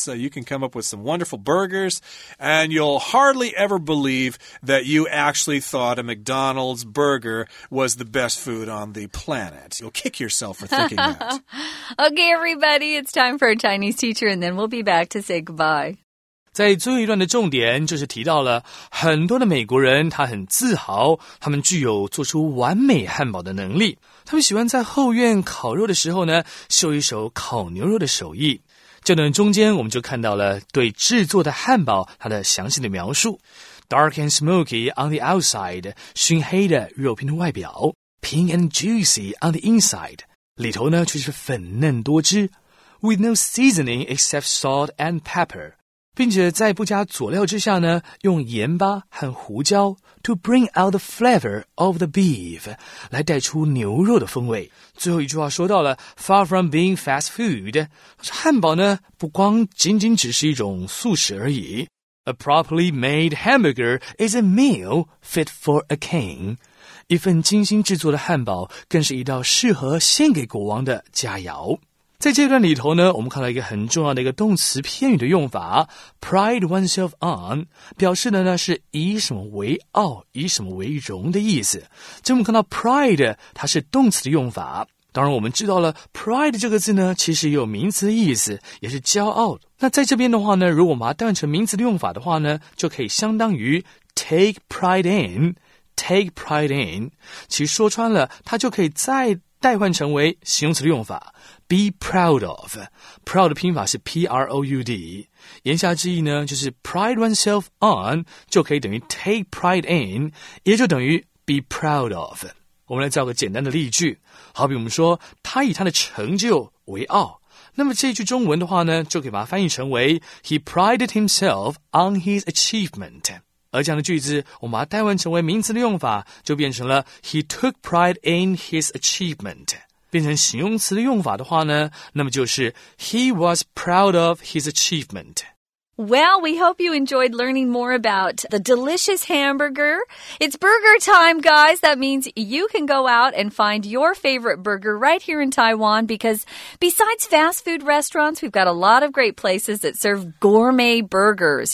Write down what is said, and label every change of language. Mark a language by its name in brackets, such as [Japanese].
[English] So you can come up with some wonderful burgers, and you'll hardly ever believe that you actually thought a McDonald's burger was the best food on the planet. You'll kick yourself for thinking that. Okay, everybody, it's time for a Chinese teacher, and then we'll be back to say goodbye. [Chinese] 在最后一段的重点就是提到了很多的美国人他很自豪他们具有做出完美汉堡的能力他们喜欢在后院烤肉的时候呢秀一手烤牛肉的手艺这段中间我们就看到了对制作的汉堡它的详细的描述。 [English] Dark and smoky on the outside, [Chinese] 熏黑的肉片的外表。 [English] Pink and juicy on the inside, [Chinese] 里头呢却是粉嫩多汁。 [English] With no seasoning except salt and pepper, [Chinese] 并且在不加佐料之下呢用盐巴和胡椒 [English] to bring out the flavor of the beef, [Chinese] 来带出牛肉的风味。最后一句话说到了 [English] far from being fast food, [Chinese] 汉堡呢不光仅仅只是一种素食而已。 [English] A properly made hamburger is a meal fit for a king. [Chinese] 一份精心制作的汉堡更是一道适合献给国王的佳肴。在这段里头呢，我们看到一个很重要的一个动词片语的用法 ,pride oneself on, 表示的呢是以什么为傲，以什么为荣的意思。这我们看到 pride, 它是动词的用法。当然我们知道了 pride 这个字呢其实也有名词的意思，也是骄傲。那在这边的话呢，如果我们把它当成名词的用法的话呢，就可以相当于 take pride in, take pride in。其实说穿了它就可以再代换成为形容词的用法 ,be proud of。 proud 的拼法是 proud。 言下之意呢就是 pride oneself on 就可以等于 take pride in, 也就等于 be proud of。我们来造个简单的例句，好比我们说他以他的成就为傲，那么这句中文的话呢就可以把它翻译成为 [English] He prided himself on his achievement。 [Chinese] 而这样的句子我们把它代换成为名词的用法就变成了 [English] He took pride in his achievement。 [Chinese] 变成形容词的用法的话呢，那么就是 [English] He was proud of his achievement。 Well, we hope you enjoyed learning more about the delicious hamburger. It's burger time, guys. That means you can go out and find your favorite burger right here in Taiwan because besides fast food restaurants, we've got a lot of great places that serve gourmet burgers.